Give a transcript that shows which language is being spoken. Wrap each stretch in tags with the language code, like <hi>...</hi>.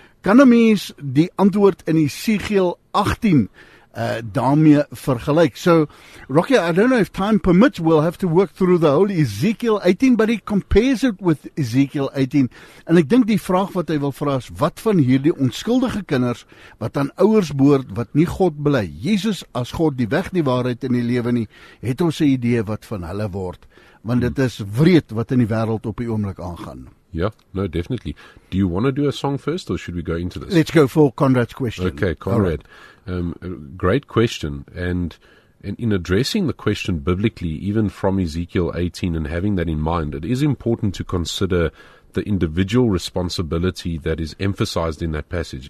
<af>Kan een mens die antwoord in Esegiel 18 daarmee vergelijk?</af> <en>So, Rocky, I don't know if time permits, we'll have to work through the whole Ezekiel 18, but he compares it with Ezekiel 18.</en> <af>En ek denk die vraag wat hy wil vraag is, wat van hierdie onskuldige kinders, wat aan ouers behoort, wat nie God bely, Jesus as God die weg die waarheid in die lewe nie, het ons 'n idee wat van hulle word. Want dit is wreed wat in die wêreld op die oomblik aangaan.</af> <en>Yeah, no, definitely. Do you want to do a song first, or should we go into this? Let's go for Conrad's question. Okay, Conrad. Right. Great question. And in addressing the question biblically, even from Ezekiel 18 and having that in mind, it is important to consider the individual responsibility that is emphasized in that passage.</en>